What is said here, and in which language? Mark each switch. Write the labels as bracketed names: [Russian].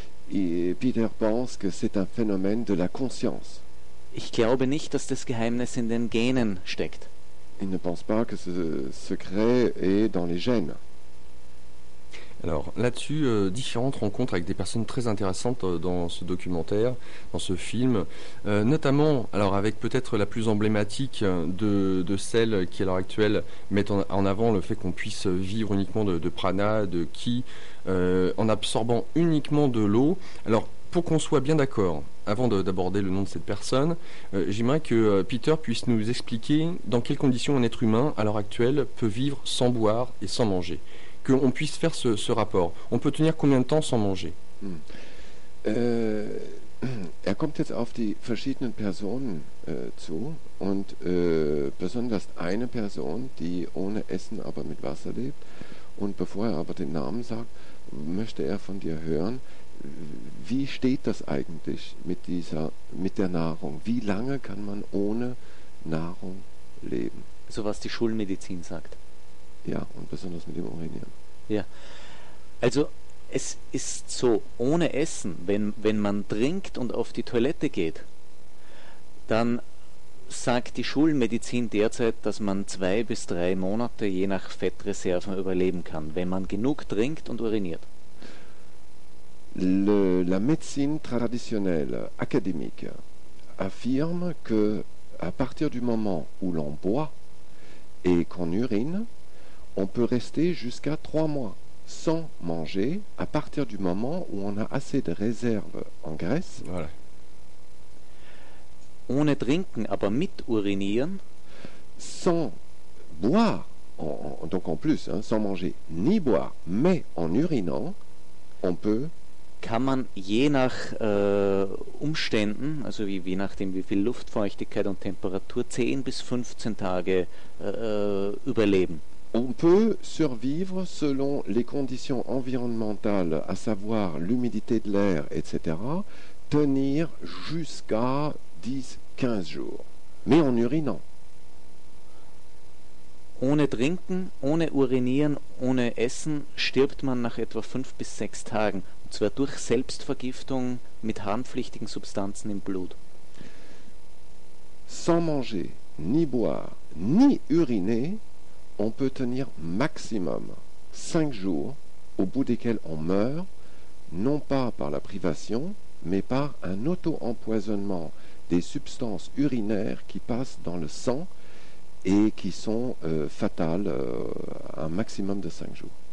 [French] Et Peter pense que c'est un phénomène de la conscience. [German] Ich glaube nicht, dass das Geheimnis in den Genen steckt. [French] Il ne pense pas que ce secret est dans les gènes. Alors là-dessus, différentes rencontres avec des personnes très intéressantes dans ce documentaire, dans ce film, notamment alors avec peut-être la plus emblématique de celles qui à l'heure actuelle mettent en avant le fait qu'on puisse vivre uniquement de prana, de ki, en absorbant uniquement de l'eau. Alors pour qu'on soit bien d'accord, avant d'aborder le nom de cette personne, j'aimerais que Peter puisse nous expliquer dans quelles conditions un être humain à l'heure actuelle peut vivre sans boire et sans manger. Qu'on puisse faire ce rapport. On peut tenir combien de temps sans manger? [German] Kommt jetzt auf die verschiedenen Personen zu und besonders eine Person, die ohne Essen, aber mit Wasser lebt. Und bevor aber den Namen sagt, möchte von dir hören, wie steht das eigentlich mit der Nahrung? Wie lange kann man ohne Nahrung leben? So was die Schulmedizin sagt. Ja, und besonders mit dem Urinieren. Ja, also es ist so, ohne Essen, wenn man trinkt und auf die Toilette geht, dann sagt die Schulmedizin derzeit, dass man 2 bis 3 Monate je nach Fettreserven überleben kann, wenn man genug trinkt und uriniert. [French] La médecine traditionnelle académique affirme que à partir du moment où l'on boit et qu'on urine, on peut rester jusqu'à 3 mois sans manger à partir du moment où on a assez de réserves en graisse. Voilà. [German] Ohne trinken, aber mit urinieren. [French] Sans boire, donc en plus, sans manger ni boire, mais en urinant, on peut. [German] Kann man je nach Umständen, also je nachdem wie viel Luftfeuchtigkeit und Temperatur, 10 bis 15 Tage überleben. [French] On peut survivre selon les conditions environnementales, à savoir l'humidité de l'air, etc., tenir jusqu'à 10-15 jours, mais en urinant. [German] Ohne trinken, ohne urinieren, ohne essen, stirbt man nach etwa 5 bis 6 Tagen, und zwar durch Selbstvergiftung mit harmpflichtigen Substanzen im Blut. [French] Sans manger, ni boire, ni uriner, on peut tenir maximum 5 jours au bout desquels on meurt, non pas par la privation, mais par un auto-empoisonnement des substances urinaires qui passent dans le sang et qui sont fatales un maximum de 5 jours.